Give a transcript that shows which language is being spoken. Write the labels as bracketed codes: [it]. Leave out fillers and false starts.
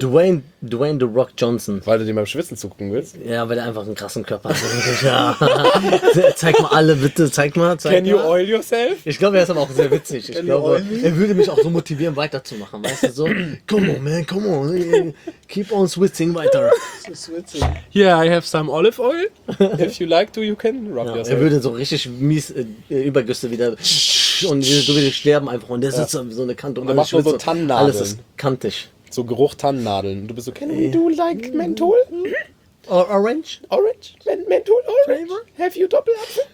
[de] Dwayne The Rock Johnson. Weil du dem beim Schwitzen zugucken willst? Ja, weil er einfach einen krassen Körper hat. Ja. Zeig mal alle, bitte, zeig mal. Zeig [en] Can you oil yourself? [de] Ich glaube, er ist aber auch sehr witzig. Ich glaube, er würde mich auch so motivieren, weiterzumachen. Weißt du, so, [en] come on, man, come on. Keep on switching [de] weiter. [en] Yeah, I have some olive oil. If you like to, you can rub yourself. [de] Er würde so richtig mies Übergüsse wieder... Und du willst sterben einfach. Und der sitzt so eine Kante. Und dann machst du so Tannennadeln. Alles ist kantig. So Geruch Tannennadeln. Du bist so, [en] can we do like Menthol? Or Orange? Orange? Menthol Orange? Flavor? Have you [de] Doppel Apfel?